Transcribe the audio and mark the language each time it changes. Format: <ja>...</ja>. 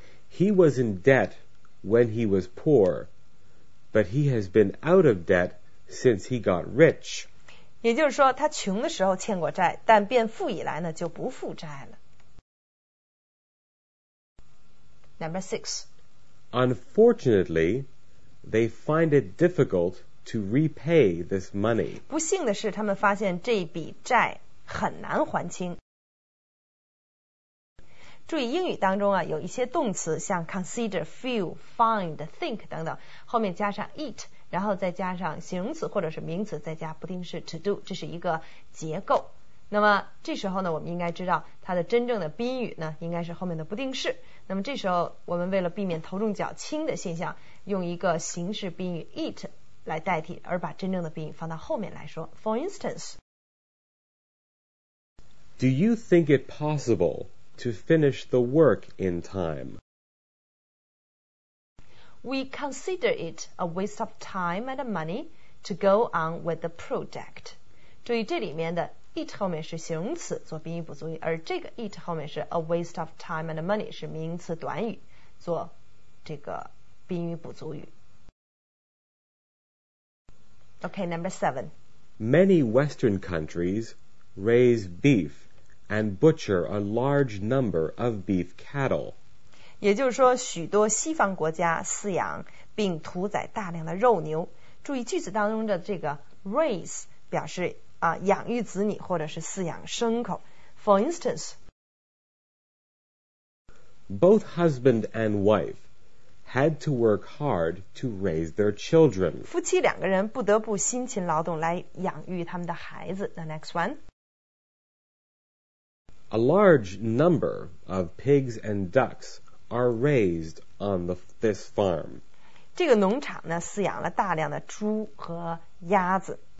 <en>He was in debt when he was poor, but he has been out of debt since he got rich.</en> <zh>也就是说他穷的时候欠过债，但变富以来呢就不负债了。</zh> <en>Number six. Unfortunately, they find it difficult to repay this money.</en> <zh>不幸的是，他们发现这笔债很难还清。注意英语当中啊，有一些动词，像 consider, feel, find, think 等等，后面加上 it， 然后再加上形容词或者是名词，再加不定式 to do， 这是一个结构。那么这时候呢，我们应该知道它的真正的宾语呢，应该是后面的不定式。那么这时候我们为了避免头重脚轻的现象，用一个形式宾语 it 来代替，而把真正的宾语放到后面来说。</zh> <en>For instance, Do you think it possible to finish the work in time? We consider it a waste of time and money to go on with the project.</en> <zh>注意这里面的it 后面是形容词做宾语补足语，而这个 it 后面是</zh> <en>a waste of time and money</en> <zh>是名词短语做这个宾语补足语。</zh> <en>OK, number seven. Many Western countries raise beef and butcher a large number of beef cattle.</en> <zh>也就是说许多西方国家饲养并屠宰大量的肉牛。注意句子当中的这个 raise 表示养育子女或者是饲养牲口。</zh> <en>For instance, Both husband and wife had to work hard to raise their children.</en> <zh>夫妻两个人不得不辛勤劳动来养育他们的孩子。</zh> <en>The next one, A large number of pigs and ducks are raised on the, this farm.</en> <zh>这个农场呢，饲养了大量的猪和鸭子。</zh>